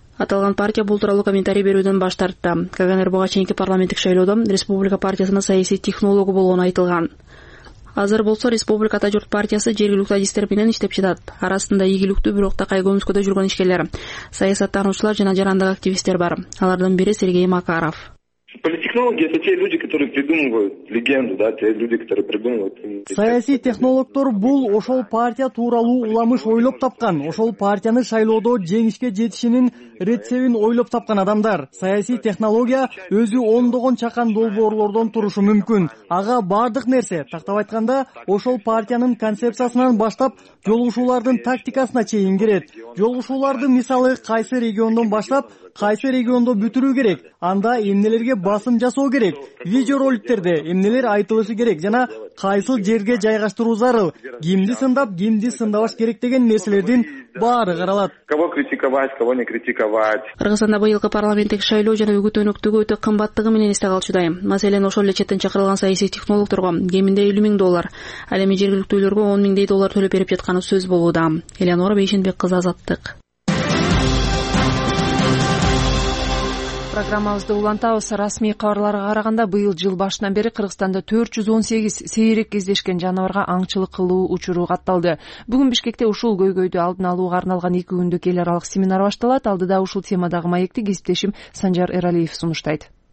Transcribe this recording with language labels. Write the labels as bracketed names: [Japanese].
[Kyrgyz] Аталган партия бул тууралуу комментарий берүүдөн баш тартты. Каганер буга чейинки парламенттик шайлоодо Республика партиясынын саясий технологу болгону айтылган. Азыр болсо Республика Ата Журт партиясы жергиликтүү адистер менен иштеп жатат. Арасында ийгиликтүү бирок такай көмүскөдө жүргөн ишкерлер, саясаттануучулар жана жарандык активисттер бар. Алардын бири Сергей Макаров. [Russian] Политтехнологи — это те люди, которые придумывают легенду, да, те люди, которые придумывают. [Kyrgyz] Саяси технологтор бул ошол партия тууралуу уламыш ойлоп тапкан, ошол партияны шайлоодо жеңишке жетишинин рецептин ойлоп тапкан адамдар. Саяси технология өзү ондогон чакан долбоорлордон турушу мүмкүн. Ага бардык нерсе, тактап айтканда, ошол партиянын концепциясынан баштап, жолугушуулардын тактикасына чейин кирет. Жолугушууларды мисалы кайсы региондон баштап, кайсы региондо бүтүрүү керек, анда эмнелерге басым жасоо керек, видеороликтерде эмнелер айтылышы керек жана кайсыл жерге жайгаштыруу зарыл, кимди сындап, кимди сындабаш керек деген нерселердин баары каралат. [Russian] Кого критиковать, кого не критиковать. [Kyrgyz] Кыргызстанда быйылкы парламенттик шайлоо жана үгүт өнөктүгү өтө кымбаттыгы менен эсте калчудайм. Маселен, ошол эле четтен чакырылган саясий технологторго кеминде $50,000, ал эми жергиликтүүлөргө $10,000 төлөп берип жатканы сөз болууда. Эленора Бейшенбек кызы, Азаттык. Программабызды улантабыз. Расмий кабарларга караганда, быйыл жыл башынан бери Кыргызстанда 418 сейрек кездешкен жаныбарга аңчылык кылуу учуру катталды. Бүгүн Бишкекте ушул көйгөйдү алдын алууга арналган 2 күндүк эл аралык семинар башталат. Алдыда ушул темадагы маекти кесиптешим Санжар Эралиев сунуштайт.